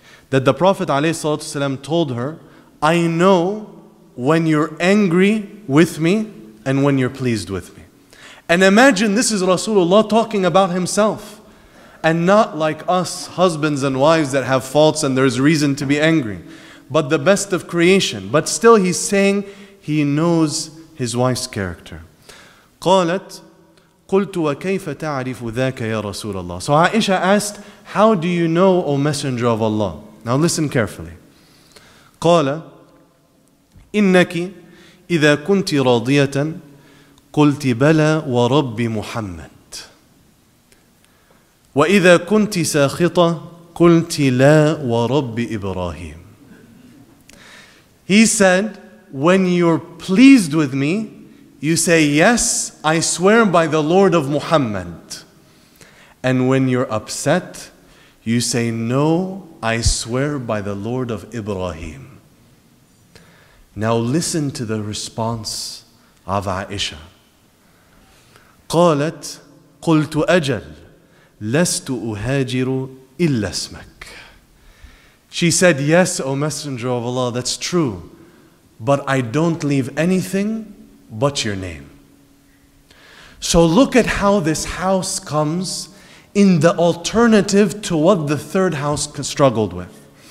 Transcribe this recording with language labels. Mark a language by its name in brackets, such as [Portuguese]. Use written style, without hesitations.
[English] That the Prophet alayhi salatu wasallam told her, I know when you're angry with me and when you're pleased with me. And imagine this is Rasulullah talking about himself and not like us husbands and wives that have faults and there's reason to be angry, but the best of creation. But still he's saying he knows his wife's character. [Arabic] قالت قلت وكيف تعرف ذاك يا رسول الله. [English] So Aisha asked, how do you know, O Messenger of Allah? Now listen carefully. [Arabic] قال إنك إذا كنت راضية قلت بلى ورب محمد وإذا كنت ساخطة قلت لا ورب إبراهيم. [English] He said, when you're pleased with me, you say, yes, I swear by the Lord of Muhammad. And when you're upset, you say, no, I swear by the Lord of Ibrahim. Now listen to the response of Aisha. [Arabic] قالت قلت أجل لست أهاجر إلا اسمك. [English] She said, yes, O Messenger of Allah, that's true, but I don't leave anything but your name. So look at how this house comes in the alternative to what the third house struggled with.